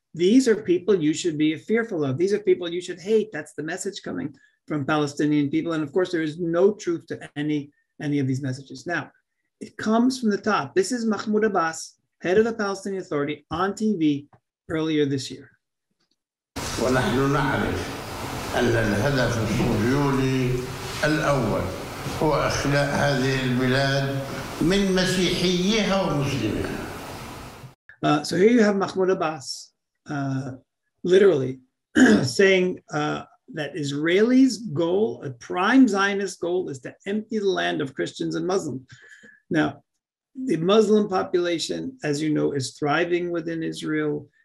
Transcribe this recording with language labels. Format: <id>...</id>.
<en>These are people you should be fearful of. These are people you should hate. That's the message coming from Palestinian people. And of course, there is no truth to any of these messages. Now, it comes from the top. This is Mahmoud Abbas, head of the Palestinian Authority, on TV earlier this year.</en> <ar>ونحن نعرف أن الهدف الصهيوني الأول هو إخلاء هذه البلاد من مسيحيها ومسلميها.</ar> <en>So here you have Mahmoud Abbas literally saying that Israelis' goal, a prime Zionist goal, is to empty the land of Christians and Muslims. Now, the Muslim population, as you know, is thriving within Israel.</en>